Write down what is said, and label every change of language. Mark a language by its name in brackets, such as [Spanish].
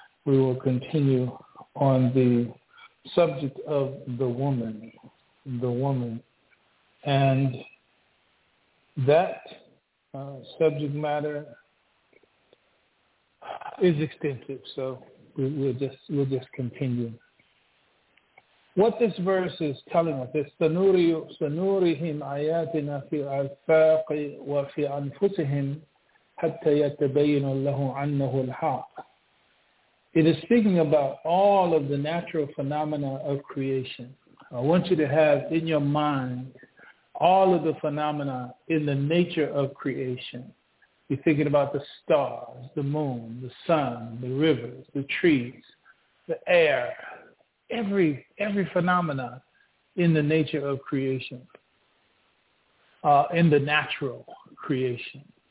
[English] We will continue on the subject of the woman. And that subject matter is extensive, so we'll just continue. What this verse is telling us is [Arabic] سنوريهم آياتنا في الآفاق وفي أنفسهم حتى يتبين له عنه الحق. [English] It is speaking about all of the natural phenomena of creation. I want you to have in your mind all of the phenomena in the nature of creation. You're thinking about the stars, the moon, the sun, the rivers, the trees, the air, every phenomena in the nature of creation, in the natural creation.